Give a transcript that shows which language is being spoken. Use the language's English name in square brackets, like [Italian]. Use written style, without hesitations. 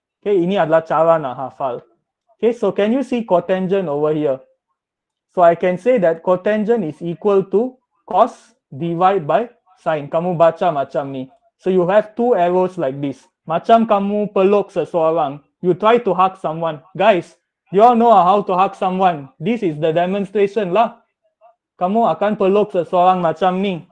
[Malay] Okay, ini adalah cara nak hafal. [English] Okay, so can you see cotangent over here? So I can say that cotangent is equal to cos divided by sine. [Malay] Kamu baca macam ni. [English] So you have two arrows like this. [Malay] Macam kamu peluk seseorang. [English] You try to hug someone. Guys, you all know how to hug someone. This is the demonstration lah. [Malay] Kamu akan peluk seseorang macam ni.